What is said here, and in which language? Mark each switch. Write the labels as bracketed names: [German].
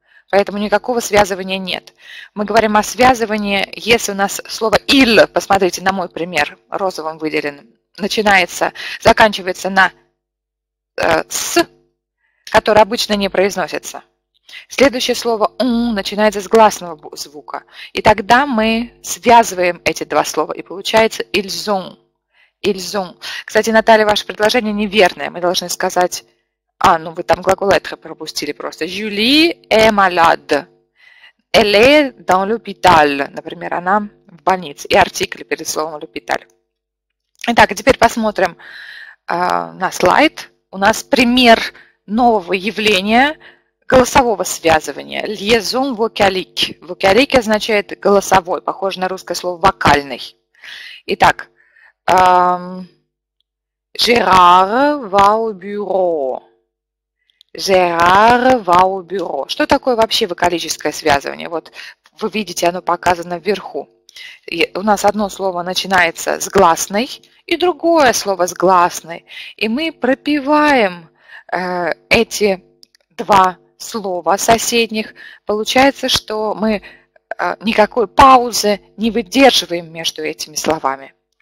[Russian] Поэтому никакого связывания нет. Мы говорим о связывании, если у нас слово ил, посмотрите на мой пример, розовым выделенным, начинается, заканчивается на с, которое обычно не произносится. Следующее слово «ун» начинается с гласного звука. И тогда мы связываем эти два слова, и получается «ильзун». «Ильзун». Кстати, Наталья, ваше предложение неверное. Мы должны сказать... А, ну вы там глагол «être» пропустили просто. [French] «Жюли est malade». «Elle est dans l'hôpital». [Russian] Например, она в больнице. И артикль перед словом «l'hôpital». Итак, теперь посмотрим на слайд. У нас пример нового явления – голосового связывания. [French] Liaison vocalique. [Russian] Vocalique означает голосовой, похоже на русское слово вокальный. [French] Итак, Gérard va au bureau. Gérard va au bureau. [Russian] Что такое вообще вокалическое связывание? Вот вы видите, оно показано вверху. И у нас одно слово начинается с гласной и другое слово с гласной. И мы пропеваем эти два слова соседних, получается, что мы никакой паузы не выдерживаем между этими словами.